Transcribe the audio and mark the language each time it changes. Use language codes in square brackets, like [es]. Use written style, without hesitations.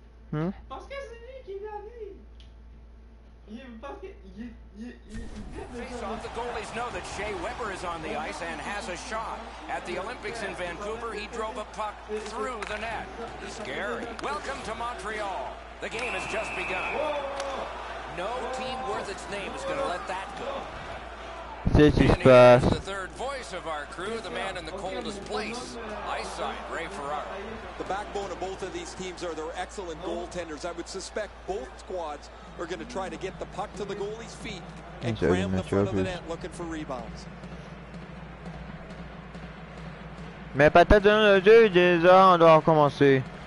[fr] Parce que c'est lui qui vient à lui. [en] Face-off, the goalies know that Shea Weber is on the ice and has a shot. At the Olympics in Vancouver, he drove a puck through the net. Scary. Welcome to Montreal. The game has just begun. No team worth its name is going to let that go. This is fast. The third voice of our crew, the man in the coldest place, ice side, Ray Ferraro. The backbone of both of these teams are their excellent goaltenders. I would suspect both squads are going to try to get the puck to the goalie's feet and cram the front of the net looking for rebounds. [fr] Mais peut-être dans le jeu, déjà, on doit recommencer.